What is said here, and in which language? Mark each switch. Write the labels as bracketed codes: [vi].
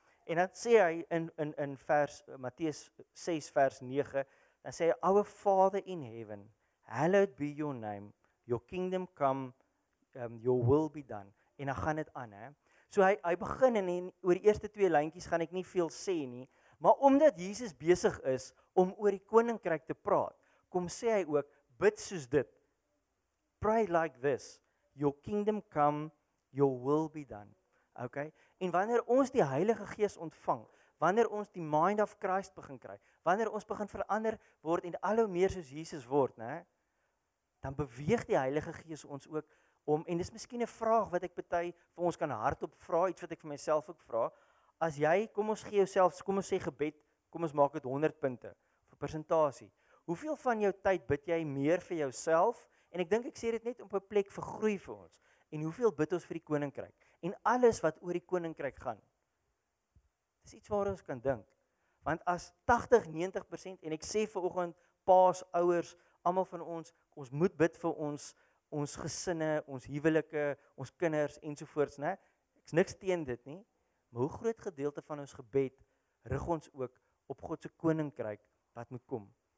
[af] En dan sê hy in vers Matteus 6 vers 9 en sê, [en] Our Father in heaven, hallowed be your name, your kingdom come, your will be done. [af] En dan gaan dit aan, hè. So hy begin en oor die eerste 2 lyntjies gaan ek nie veel sê nie, maar omdat Jesus besig is om oor die koninkryk te praat, kom sê hy ook, bid soos dit. [en] Pray like this, your kingdom come, your will be done. [af] Okay? En wanneer ons die Heilige Gees ontvang, wanneer ons die [en] mind of Christ [af] begin kry, wanneer ons begin verander word en al hoe meer soos Jesus word, né? Dan beweeg die Heilige Gees ons ook om en dis miskien 'n vraag wat ek bety vir ons kan hardop vra, iets wat ek vir myself ook vra. As jy, kom ons gee jouself, kom ons sê gebed, kom ons maak dit 100 punte vir persentasie. Hoeveel van jou tyd bid jy meer vir jouself? En ek dink ek sê dit net op 'n plek vir groei vir ons. En hoeveel bid ons vir die koninkryk? En alles wat oor die koninkryk gaan. Is iets waar ons kan dink. Want as 80-90% en ek sê vanoggend paas ouers, almal van ons moet bid vir ons gesinne, ons huwelike, ons kinders ensovoorts, né? Ek's niks teen dit nie. Maar hoe groot gedeelte van ons gebed rig ons ook op God se koninkryk wat moet kom?